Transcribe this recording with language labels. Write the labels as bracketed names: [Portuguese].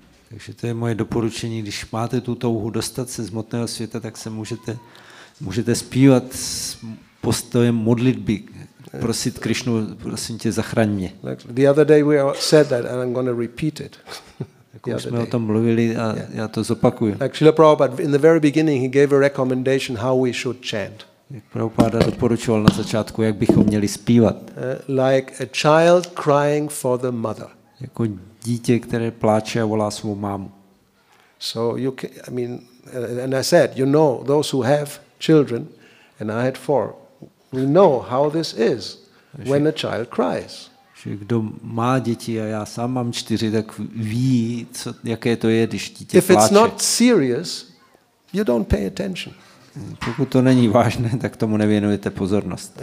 [Czech] Takže to je moje doporučení, když máte tu touhu dostat se z hmotného světa, tak se můžete zpívat postojem modlitby, prosit Krišnu, prosím tě, zachraň mě. [English] The other day we said that and I'm going to repeat it. [Czech] Jsme o tom mluvili a já to zopakuju. [English] Like Srila Prabhupada, in the very beginning he gave a recommendation how we should chant. [Czech] Prabhupada doporučoval na začátku, jak bychom měli zpívat. [English] Like a child crying for the mother. [Czech] Jako dítě, které pláče a volá svou mámu. [English] So you can, I mean, and I said, you know, those who have children, and I had four, we know how this is when a child cries. [Czech] Že kdo má děti a já sám mám čtyři, tak ví, co, jaké to je, když dítě pláče. [English] If it's not serious, you don't pay attention. [Czech] Pokud to není vážné, tak tomu nevěnujete pozornost.